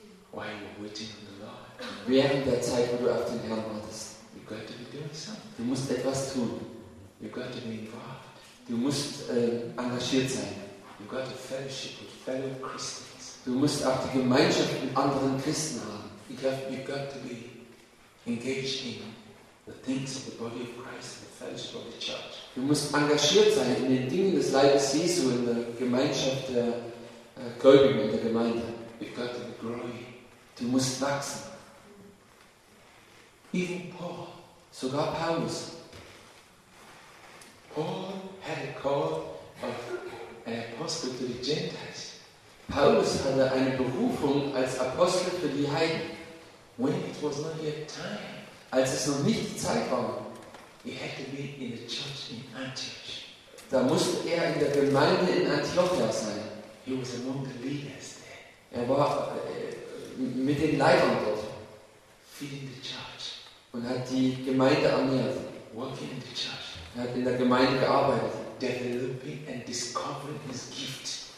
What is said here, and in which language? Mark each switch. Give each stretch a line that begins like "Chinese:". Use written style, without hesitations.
English: While you're waiting on the Lord.
German: Während der Zeit, wo du auf den Herrn wartest.
English: You've got to be doing something.
German: Du musst etwas tun.
English: You've got to be involved.
German: Du musst engagiert sein.
English: You got a fellowship with fellow Christians.
German: Du musst auch die Gemeinschaft mit anderen Christen haben.
English: You got to be engaged in the things of the body of Christ, the fellowship of the church.
German: Du musst engagiert sein in den Dingen des Leibes Jesu, in der Gemeinschaft der Gläubigen in der Gemeinde.
English: You got to be growing.
German: Du musst wachsen.
English: Even Paul.
German: Sogar Paulus.
English: Paul had a call of an apostle to the Gentiles.
German: Paulus hatte eine Berufung als Apostel für die Heiden.
English: When it was not yet time.
German: Als es noch nicht Zeit war.
English: He had to be in the church in Antioch.
German: Da musste er in der Gemeinde in Antiochia sein.
English: He was among the leaders there.
German: Er war mit den Leitern dort.
English: Feeding the church.
German: Und hat die Gemeinde ernährt.
English: Working in the church.
German: Er hat in der Gemeinde gearbeitet.
English: Developing and discovering his gift.